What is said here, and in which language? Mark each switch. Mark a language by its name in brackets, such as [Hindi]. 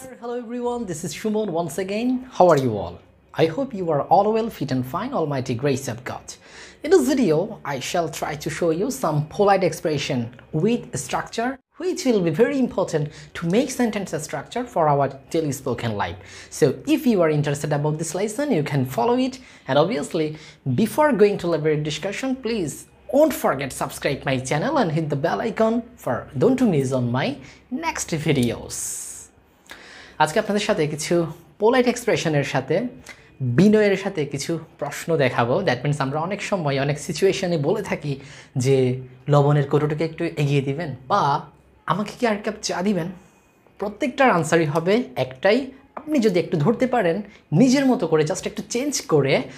[English] Hello everyone this is Suman once again how are you all I hope you are all well fit and fine all mighty grace of God in this video I shall try to show you some polite expression with structure which will be very important to make sentence a structure for our daily spoken life. So if you are interested about this lesson, you can follow it. And obviously, before going to library discussion, please don't forget to subscribe my channel and hit the bell icon for don't to miss on my next videos. [Bangla] আজকে আপনাদের সাথে কিছু [English] polite expression [Bangla] এর সাথে বিনয়ের সাথে কিছু প্রশ্ন দেখাবো [English] that means [Bangla] আমরা অনেক সময় অনেক সিচুয়েশনে বলে থাকি যে লবণের কৌটোটাকে একটু এগিয়ে দিবেন বা আমাকে কি আর কাপ চা দিবেন প্রত্যেকটার আনসারই হবে একটাই আপনি যদি একটু ধরতে পারেন নিজের মতো করে জাস্ট একটু চেঞ্জ করে